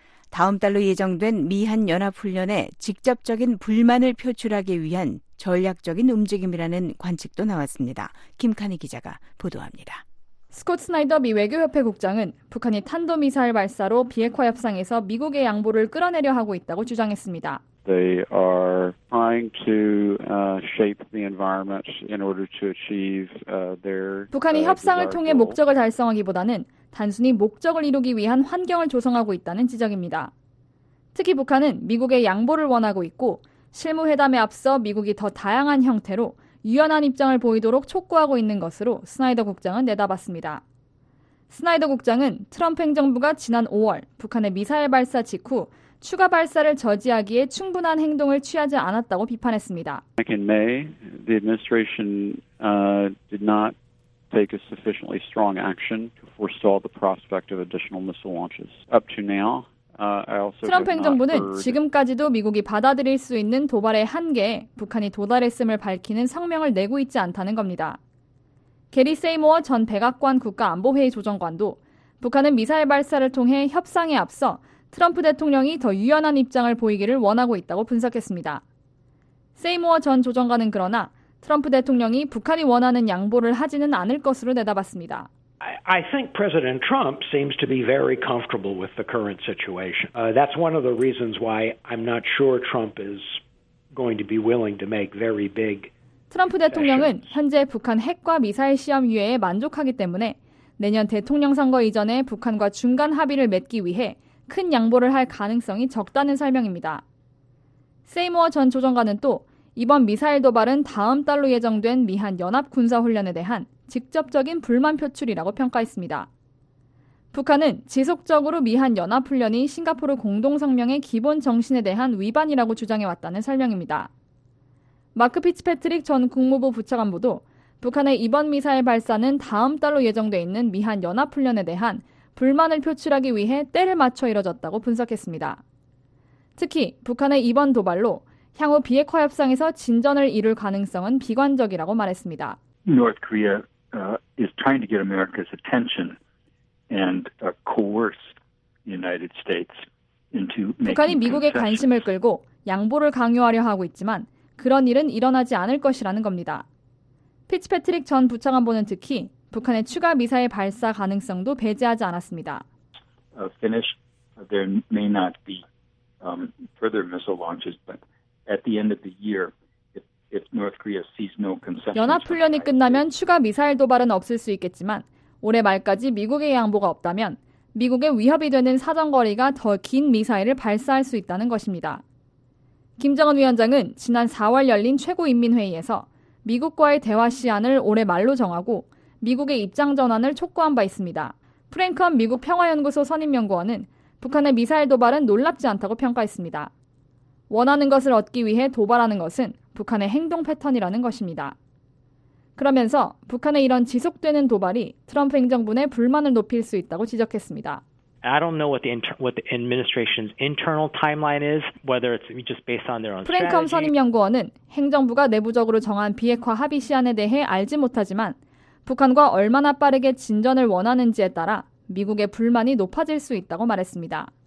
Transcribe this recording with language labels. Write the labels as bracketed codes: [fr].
[ko] 다음 달로 예정된 미한연합훈련에 직접적인 불만을 표출하기 위한 전략적인 움직임이라는 관측도 나왔습니다. 김카니 기자가 보도합니다. 스콧 스나이더 미 외교협회 국장은 북한이 탄도미사일 발사로 비핵화 협상에서 미국의 양보를 끌어내려 하고 있다고 주장했습니다. [en] They are trying to shape the environment in order to achieve their [ko] 북한이 협상을 통해 목적을 달성하기보다는 단순히 목적을 이루기 위한 환경을 조성하고 있다는 지적입니다. 특히 북한은 미국의 양보를 원하고 있고 실무회담에 앞서 미국이 더 다양한 형태로 유연한 입장을 보이도록 촉구하고 있는 것으로 스나이더 국장은 내다봤습니다. 스나이더 국장은 트럼프 행정부가 지난 5월 북한의 미사일 발사 직후 추가 발사를 저지하기에 충분한 행동을 취하지 않았다고 비판했습니다. [en] Back in May, the administration did not take a sufficiently strong action to forestall the prospect of additional missile launches. Up to now, [ko] 트럼프 행정부는 지금까지도 미국이 받아들일 수 있는 도발의 한계에 북한이 도달했음을 밝히는 성명을 내고 있지 않다는 겁니다. 게리 세이모어 전 백악관 국가안보회의 조정관도 북한은 미사일 발사를 통해 협상에 앞서 트럼프 대통령이 더 유연한 입장을 보이기를 원하고 있다고 분석했습니다. 세이모어 전 조정관은 그러나 트럼프 대통령이 북한이 원하는 양보를 하지는 않을 것으로 내다봤습니다. [en] I think President Trump seems to be very comfortable with the current situation. That's one of the reasons why I'm not sure Trump is going to be willing to make very big. [ko] 트럼프 대통령은 현재 북한 핵과 미사일 시험 유예에 만족하기 때문에 내년 대통령 선거 이전에 북한과 중간 합의를 맺기 위해 큰 양보를 할 가능성이 적다는 설명입니다. 세이모어 전 조정관은 또 이번 미사일 도발은 다음 달로 예정된 미한 연합 군사 훈련에 대한 직접적인 불만 표출이라고 평가했습니다. 북한은 지속적으로 미한 연합훈련이 싱가포르 공동성명의 기본 정신에 대한 위반이라고 주장해왔다는 설명입니다. 마크 피츠패트릭 전 국무부 부차관보도 북한의 이번 미사일 발사는 다음 달로 예정돼 있는 미한 연합훈련에 대한 불만을 표출하기 위해 때를 맞춰 이뤄졌다고 분석했습니다. 특히 북한의 이번 도발로 향후 비핵화 협상에서 진전을 이룰 가능성은 비관적이라고 말했습니다. [en] North Korea is trying to get America's attention and coerce the United States into making [ko] 북한이 미국의 관심을 끌고 양보를 강요하려 하고 있지만 그런 일은 일어나지 않을 것이라는 겁니다. 피츠패트릭 전 부차관보는 특히 북한의 추가 미사일 발사 가능성도 배제하지 않았습니다. [en] Finish there may not be further missile launches but at the end of the year If North Korea sees no concessions, [ko] 연합훈련이 끝나면 추가 미사일 도발은 없을 수 있겠지만 올해 말까지 미국의 양보가 없다면 미국의 위협이 되는 사정거리가 더 긴 미사일을 발사할 수 있다는 것입니다. 김정은 위원장은 지난 4월 열린 최고인민회의에서 미국과의 대화 시안을 올해 말로 정하고 미국의 입장 전환을 촉구한 바 있습니다. 프랭크헌 미국 평화연구소 선임연구원은 북한의 미사일 도발은 놀랍지 않다고 평가했습니다. 원하는 것을 얻기 위해 도발하는 것은 북한의 행동 패턴이라는 것입니다. 그러면서 북한의 이런 지속되는 도발이 트럼프 행정부 내 불만을 높일 수 있다고 지적했습니다. [en] I don't know what the administration's internal timeline is, whether it's just based on their own. [ko] 프랭크 선임 연구원은 행정부가 내부적으로 정한 비핵화 합의 시한에 대해 알지 못하지만 북한과 얼마나 빠르게 진전을 원하는지에 따라 미국의 불만이 높아질 수 있다고 말했습니다.